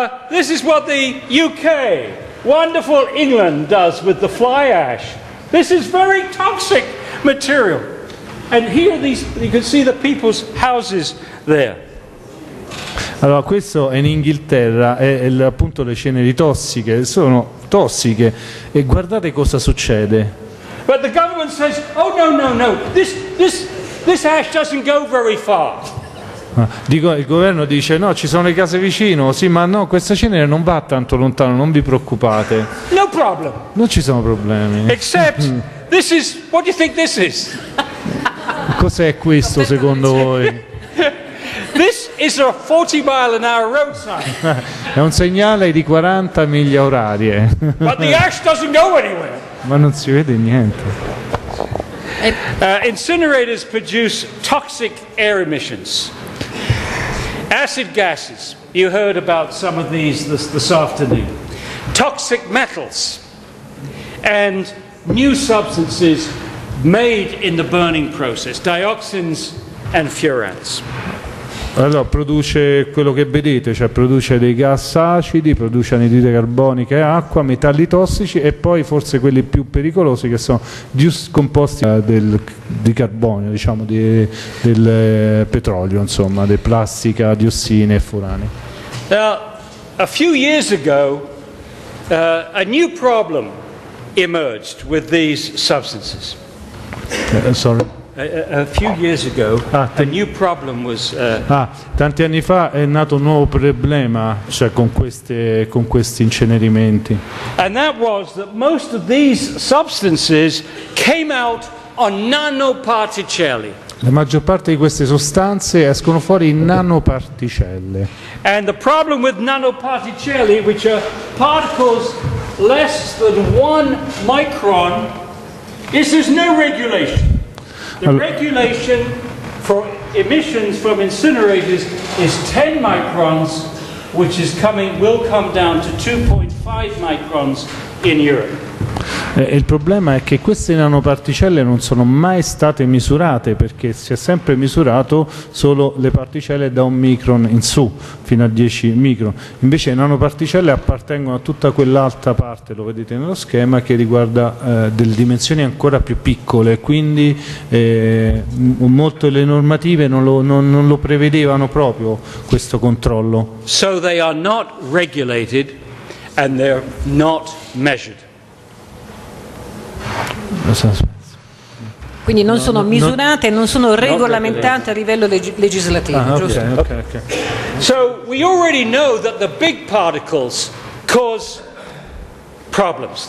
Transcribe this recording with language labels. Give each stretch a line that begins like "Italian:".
English: This is what the UK, wonderful England, does with the fly ash. This is very toxic material. And here these you can see the people's houses there.
Italian: Allora, questo è in Inghilterra, è appunto le ceneri tossiche, sono tossiche. E guardate cosa succede.
English: But the government says, oh no, this ash doesn't go very far.
Italian: Dico, il governo dice, no, ci sono le case vicino, sì, ma no, questa cenere non va tanto lontano, non vi preoccupate.
English: No problem.
Italian: Non ci sono problemi.
English: Except, this is, what do you think this is?
Italian: Cos'è questo secondo voi?
English: This is a 40 mile an hour road sign.
Italian: È un segnale di 40 miglia orarie.
English: But the ash doesn't go anywhere.
Italian: Ma non si vede niente.
English: Incinerators produce toxic air emissions. Acid gases. You heard about some of these this afternoon. Toxic metals. And new substances made in the burning process. Dioxins and furans.
Italian: Allora, produce quello che vedete, cioè produce dei gas acidi, produce anidride carbonica e acqua, metalli tossici e poi forse quelli più pericolosi che sono composti di carbonio, diciamo, del petrolio, insomma, di plastica, diossine e furani.
English: A few years ago, a new problem emerged with these substances. Sorry. A few years ago, a new problem was.
Italian: Tanti anni fa è nato un nuovo problema, cioè con questi incenerimenti.
English: And that was that most of these substances came out on nanoparticelli.
Italian: La maggior parte di queste sostanze escono fuori in nanoparticelle.
English: And the problem with nanoparticelli, which are particles less than one micron, is there's no regulation. The regulation for emissions from incinerators is 10 microns, which is coming will come down to 2.5 microns in Europe.
Italian: Il problema è che queste nanoparticelle non sono mai state misurate perché si è sempre misurato solo le particelle da un micron in su, fino a 10 micron. Invece le nanoparticelle appartengono a tutta quell'altra parte, lo vedete nello schema, che riguarda delle dimensioni ancora più piccole, quindi molte le normative non lo prevedevano proprio questo controllo.
English: So they are not regulated and they're not measured.
Italian: Quindi non sono misurate, non sono regolamentate a livello legislativo, giusto?
English: Okay. So we already know that the big particles cause problems.